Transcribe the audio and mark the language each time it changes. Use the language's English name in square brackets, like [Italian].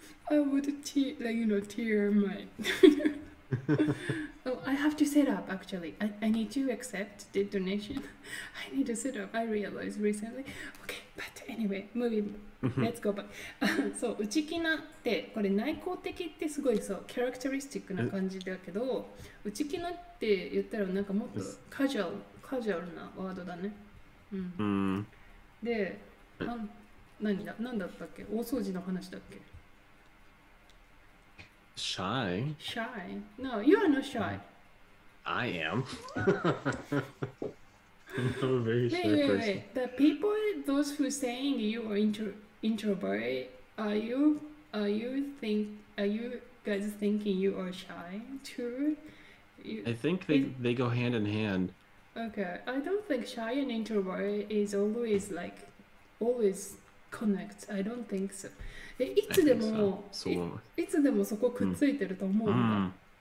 [English] I would tear like you know tear my oh I have to set up actually I need to accept the donation I need to set up I realized recently okay but anyway movieLet's go back. [Japanese] そう、内気なって、これ内向的ってすごいそう、キャラクテリスティックな感じだけど、内気なって言ったらなんかもっとカジュアルなワードだね。で、何だったっけ？大掃除の話だっけ [English] ?Shy?Shy? No, you are not shy. I am. I'm a very shy person. The people, those who saying you are introvert, are you guys thinking you are shy too? I think they go hand in hand. Okay, I don't think shy and introvert is always like always connect. I don't think so. [Japanese] いつでも、そう、いつでもそこくっついてると思うんだ。